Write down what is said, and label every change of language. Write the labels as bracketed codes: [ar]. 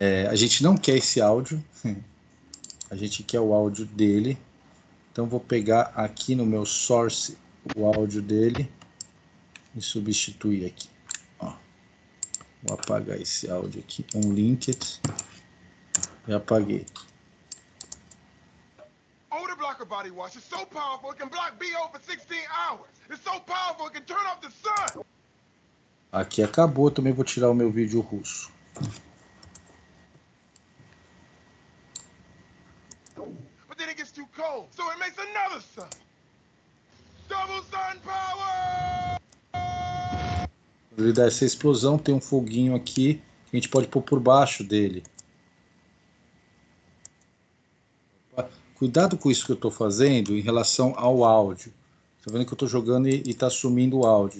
[pt] A gente não quer esse áudio, a gente quer o áudio dele. Então vou pegar aqui no meu source o áudio dele e substituir aqui. Vou apagar esse áudio aqui, unlinked, e apaguei. [en] Body wash is so powerful it can block BO for 16 hours. It's so powerful it can turn off the sun. [pt] Aqui acabou, também vou tirar o meu vídeo russo. [en] But then it gets too cold, so it makes another sun. Double sun power! [pt] Ele dá essa explosão, tem um foguinho aqui que a gente pode pôr por baixo dele. Cuidado com isso que eu estou fazendo em relação ao áudio. Tá vendo que eu estou jogando e está sumindo o áudio.